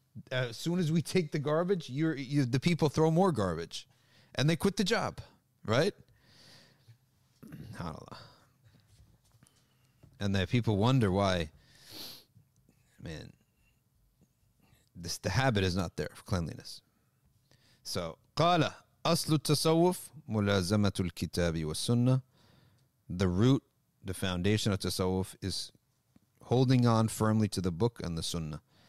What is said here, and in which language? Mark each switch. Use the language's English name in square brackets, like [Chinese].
[English] As soon as we take the garbage, the people throw more garbage. And they quit the job. Right? And the people wonder why, man, the habit is not there of cleanliness. So, qala. [Arabic] أصل التصوف ملازمة الكتاب والسنة. [English] The root, the foundation of tasawwuf is holding on firmly to the book and the sunnah.